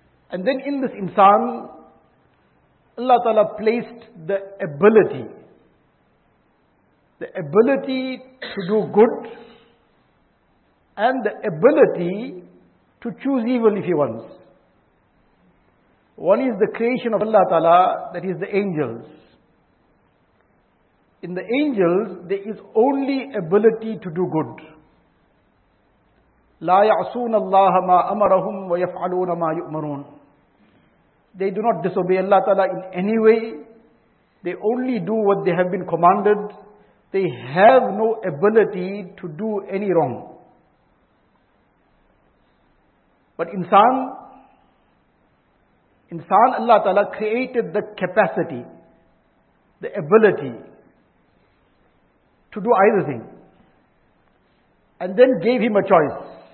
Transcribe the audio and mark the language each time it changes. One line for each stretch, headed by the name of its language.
English: And then in this insan, Allah Ta'ala placed the ability to do good, and the ability to choose evil if he wants. One is the creation of Allah Ta'ala, that is the angels. In the angels, there is only ability to do good.
Arabic: لا يعصون الله ما أمرهم ويفعلون ما يؤمرون.
English: They do not disobey Allah Ta'ala in any way. They only do what they have been commanded. They have no ability to do any wrong. But insan, Allah Ta'ala created the capacity, the ability to do either thing, and then gave him a choice.